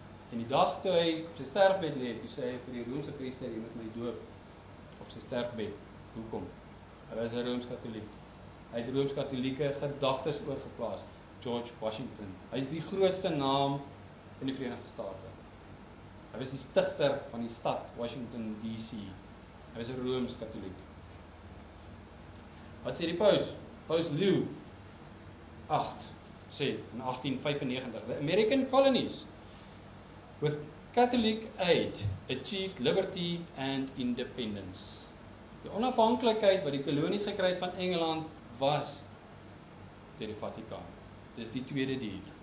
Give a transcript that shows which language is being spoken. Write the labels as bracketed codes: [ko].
[af] En die dag toe hy op sy sterfbed lê, toe sê hy vir die Romeinse priester: "Jy moet my doop op sy sterfbed." Hoekom? Hy was 'n Rooms-Katoliek. Hy het Rooms-Katolieke gedagtes oorgeplaas. George Washington. Hy is die grootste naam in die Verenigde State. Hy was die stigter van die stad Washington DC. Hy was 'n Rooms-Katoliek. Wat sê die paus? Paus Leo 8 sê in 1895, [en] the American colonies with Catholic aid achieved liberty and independence. [af] Die onafhanklikheid wat die kolonies gekry het van Engeland was deur die Vatikaan. Dis die tweede dier.